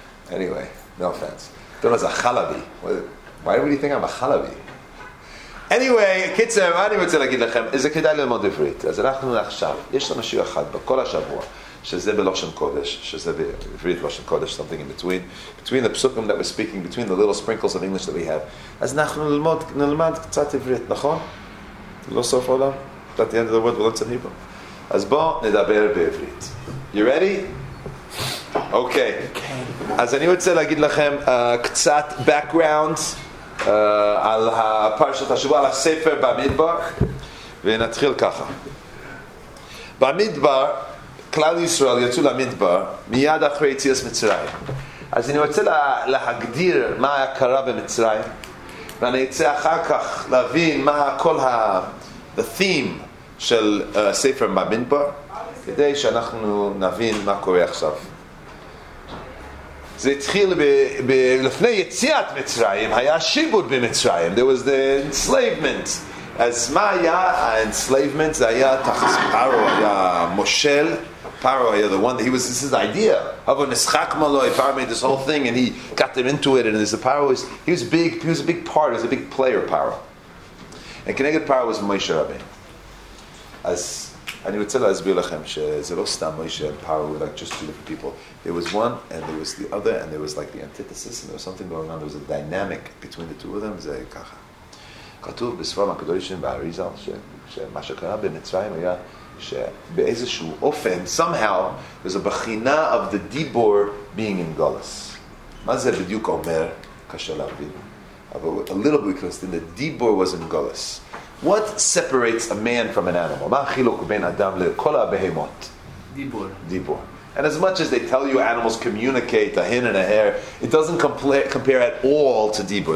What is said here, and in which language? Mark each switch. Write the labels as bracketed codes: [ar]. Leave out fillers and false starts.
[en] Anyway, no offense. I thought I was a Chalabi. Why would he think I'm a Chalabi? Anyway, kitzer, I didn't even tell you, is it kedai [he] ללמוד עברית? אז אנחנו עכשיו, יש לנו שיעור אחד בכל השבוע, שזה בלושן קודש, שזה בעברית לושן קודש, [en] something in between, between the psukim that we're speaking, between the little sprinkles of English that we have. [he] אז אנחנו נלמד קצת עברית, נכון? לא סוף עולם. [en] At the end of the world, we'll learn some Hebrew. [he] אז בוא נדבר בעברית. [en] You ready? Okay. [he] אז אני רוצה להגיד לכם קצת background על הפרשת השבוע, על הספר במדבר, ונתחיל ככה. במדבר, כלל ישראל יצאו למדבר מיד אחרי יציאת מצרים. אז אני רוצה להגדיר מה היה קרה במצרים, ואני אצא אחר כך להבין מה כל [en] the theme [he] של ספר במדבר, כדי שאנחנו נבין מה קורה עכשיו. זה התחיל לפני יציאת מצרים, היה שיבוד במצרים. [en] There was the enslavement. [he] אז מה היה ה-enslavement? זה היה תחס פארו, היה מושל. [en] Paro, the one that this is the idea. Havo neschak maloi, Paro made this whole thing and he got them into it. And Paro was, he was big, he was a big part, he was a big player, Paro. And Keneged Paro was Moshe Rabbein. As [he] אני רוצה להסביר לכם שזה לא סתם מוישה [en] and Paro were like just two different people. There was one and there was the other and there was like the antithesis and there was something going on. There was a dynamic between the two of them. [he] זה ככה. כתוב בספרים הקדושים והאריזל שמה שקרה במצרים היה שבאיזשהו אופן, [en] somehow, there's a [he] בחינה [en] of the Dibor being in Golas. [he] מה זה בדיוק אומר? קשה להבין. [en] אבל a little bit because the Dibor was in Golas. What separates a man from an animal? [he] מה החילוק בין אדם לכל הבהמות? דיבור. דיבור. [en] And as much as they tell you animals communicate, a hin and a hair, it doesn't compare at all to dibur.